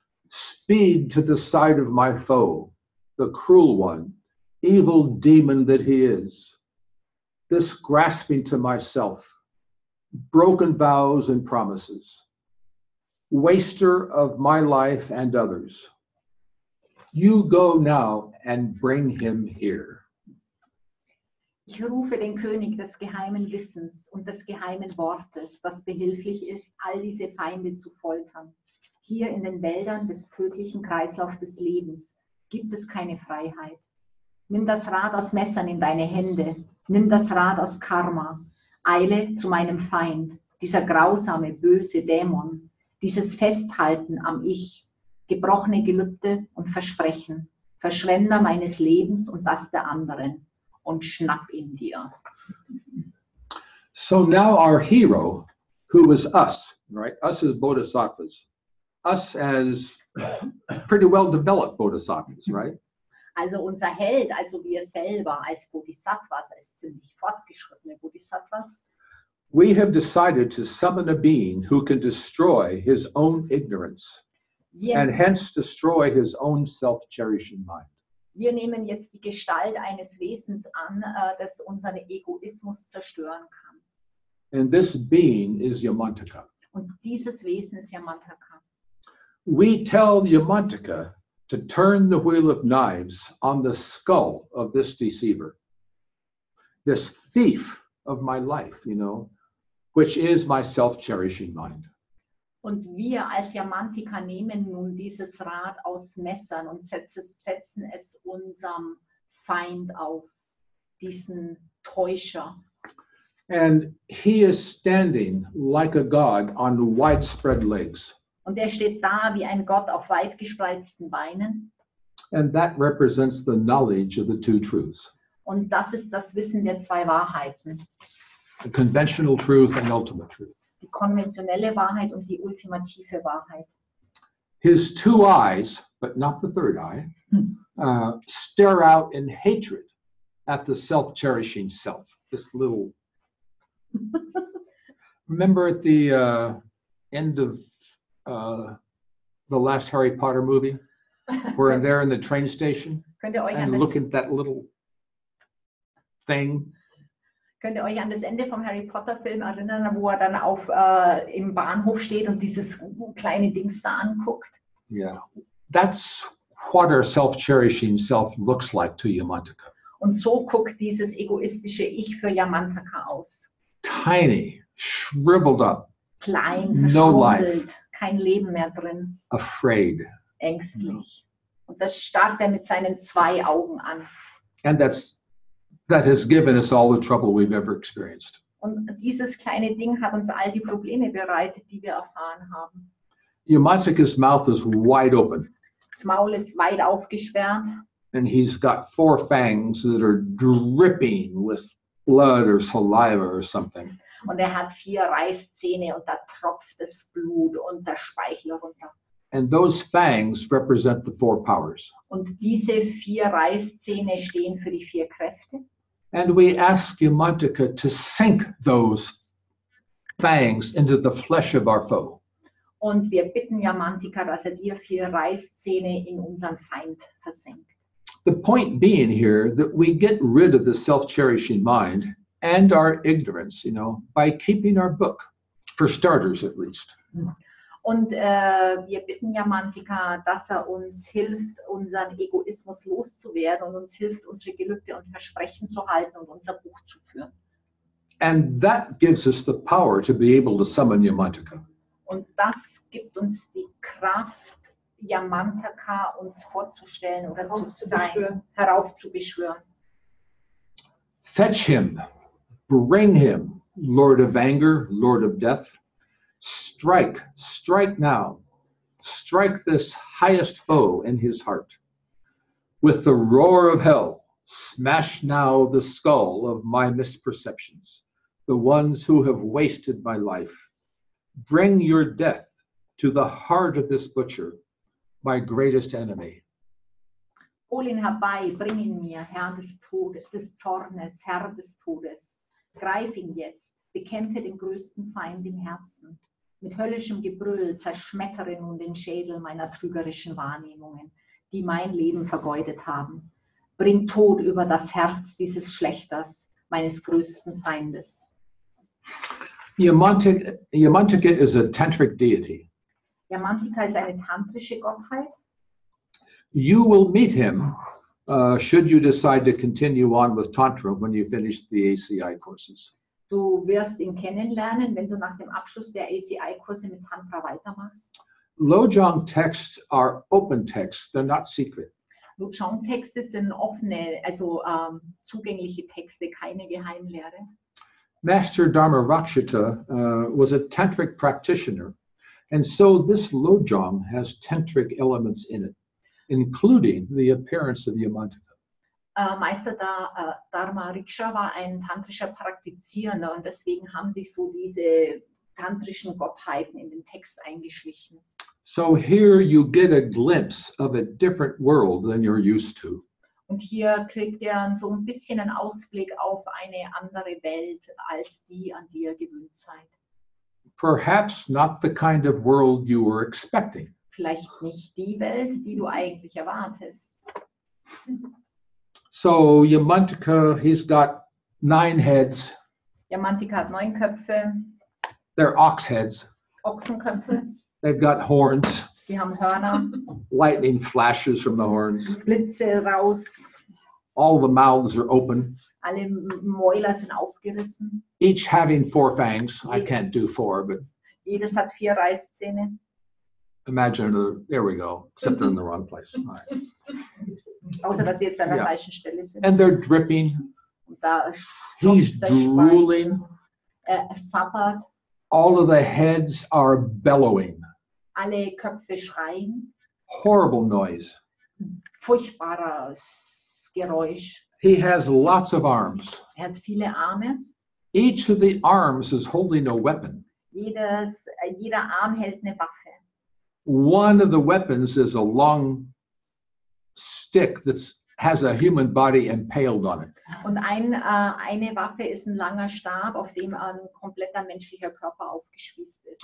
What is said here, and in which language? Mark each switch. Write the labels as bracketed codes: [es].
[en] Speed to the side of my foe, the cruel one, evil demon that he is. This grasping to myself, broken vows and promises, waster of my life and others. You go now and bring him here. [de] Ich rufe den König des geheimen Wissens und des geheimen Wortes, das behilflich ist, all diese Feinde zu foltern. Hier in den Wäldern des tödlichen Kreislaufs des Lebens gibt es keine Freiheit. Nimm das Rad aus Messern in deine Hände. Nimm das Rad aus Karma. Eile zu meinem Feind, dieser grausame, böse Dämon. Dieses Festhalten am Ich, gebrochene Gelübde und Versprechen. Verschwender meines Lebens und das der anderen. Und schnapp ihn dir. [en] So now our hero, who was us, right? Us as Bodhisattvas. Us as pretty well developed Bodhisattvas, right? [de] Also unser Held, also wir selber als Bodhisattvas, als ziemlich fortgeschrittene Bodhisattvas. [en] We have decided to summon a being who can destroy his own ignorance. Yeah. And hence destroy his own self-cherishing mind. [de] Wir nehmen jetzt die Gestalt eines Wesens an, das unseren Egoismus zerstören kann. [en] And this being is Yamantaka. [de] Und dieses Wesen ist Yamantaka. [en] We tell Yamantaka to turn the wheel of knives on the skull of this deceiver. this thief of my life, you know, which is my self-cherishing mind. [de] Und wir als Yamantika nehmen nun dieses Rad aus Messern und setzen es unserem Feind auf, diesen Täuscher. [en] And he is standing like a god on widespread legs. [de] Und steht da wie ein Gott auf weit gespreizten Beinen. [en] And that represents the knowledge of the two truths. [de] Und das ist das Wissen der zwei Wahrheiten. [en] The conventional truth and ultimate truth. [de] Die konventionelle Wahrheit und die ultimative Wahrheit. [en] His two eyes, but not the third eye, stare out in hatred at the self-cherishing self. This little. Remember at the end of the last Harry Potter movie, where they're in the train station and looking at that little thing. [de] Könnt ihr euch an das Ende vom Harry Potter Film erinnern, wo dann auf im Bahnhof steht und dieses kleine Dings da anguckt? [en] Yeah, that's what our self-cherishing self looks like to Yamantaka. [de] Und so guckt dieses egoistische Ich für Yamantaka aus. [en] Tiny, shriveled up. [de] Klein, [en] no life. [de] Kein Leben mehr drin. [en] Afraid. [de] Ängstlich. No. Und das starrt mit seinen zwei Augen an. [en] And that has given us all the trouble we've ever experienced. [de] Und dieses kleine Ding hat uns all die Probleme bereitet, die wir erfahren haben. [en] Yamantaka's mouth is wide open. [de] Das Maul ist weit aufgesperrt. [en] And he's got four fangs that are dripping with blood or saliva or something. [de] Und hat vier Reißzähne und da tropft das Blut und der Speichel runter. [en] And those fangs represent the four powers. [de] Und diese vier Reißzähne stehen für die vier Kräfte. [en] And we ask Yamantaka to sink those fangs into the flesh of our foe. [de] Und wir bitten Yamantaka, dass die vier Reißzähne in unseren Feind versenkt. [en] The point being here that we get rid of the self-cherishing mind and our ignorance, you know, by keeping our book, for starters at least. [de] Und wir bitten Yamantaka, dass uns hilft, unseren Egoismus loszuwerden und uns hilft, unsere Gelübde und Versprechen zu halten und unser Buch zu führen. [en] And that gives us the power to be able to summon Yamantaka. [de] Und das gibt uns die Kraft, Yamantaka uns vorzustellen oder heraufzubeschwören. [en] Fetch him, bring him, Lord of anger, Lord of death. Strike, strike now, strike this highest foe in his heart. With the roar of hell, smash now the skull of my misperceptions, the ones who have wasted my life. Bring your death to the heart of this butcher, my greatest enemy. [de] Hol ihn herbei, bring ihn mir, Herr des Todes, des Zornes, Herr des Todes. Greif ihn jetzt, bekämpfe den größten Feind im Herzen. Mit höllischem Gebrüll zerschmettere nun den Schädel meiner trügerischen Wahrnehmungen, die mein Leben vergeudet haben. Bring Tod über das Herz dieses Schlechters, meines größten Feindes. [en] Yamantaka is a tantric deity. [de] Yamantaka ist eine tantrische Gottheit. [en] You will meet him, should you decide to continue on with Tantra when you finish the ACI courses. [de] Du wirst ihn kennenlernen, wenn du nach dem Abschluss der ACI-Kurse mit Tantra weitermachst. [en] Lojong texts are open texts, they're not secret. [de] Lojong texte sind offene, also zugängliche Texte, keine Geheimlehre. [en] Master Dharma Rakshita was a tantric practitioner. And so this Lojong has tantric elements in it, including the appearance of Yamantaka. [de] Meister Dharma Riksha war ein tantrischer Praktizierender und deswegen haben sich so diese tantrischen Gottheiten in den Text eingeschlichen. [en] So here you get a glimpse of a different world than you're used to. [de] Und hier kriegt er so ein bisschen einen Ausblick auf eine andere Welt als die, an die ihr gewöhnt seid. [en] Perhaps not the kind of world you were expecting. [de] Vielleicht nicht die Welt, die du eigentlich erwartest. [en] So Yamantaka, he's got nine heads. [de] Yamantaka hat neun Köpfe. [en] They're ox heads. [de] Ochsenköpfe. [en] They've got horns. [de] Die haben Hörner. [en] Lightning flashes from the horns. [de] Blitze raus. [en] All the mouths are open. [de] Alle Mäuler sind aufgerissen. [en] Each having four fangs. I can't do four, but. [de] Jedes hat vier Reißzähne. [en] Imagine, there we go, except they're in the wrong place. All right. [de] Außer dass sie jetzt an der falschen Stelle sind. [en] And they're dripping. He's drooling. [de] Er sappert. [en] All of the heads are bellowing. [de] Alle Köpfe schreien. [en] Horrible noise. [de] Furchtbares Geräusch. [en] He has lots of arms. [de] Er hat viele Arme. [en] Each of the arms is holding a weapon. [de] Jeder Arm hält eine Waffe. [en] One of the weapons is a long stick that has a human body impaled on it. [de] Und eine Waffe ist ein langer Stab, auf dem ein kompletter menschlicher Körper aufgespießt ist.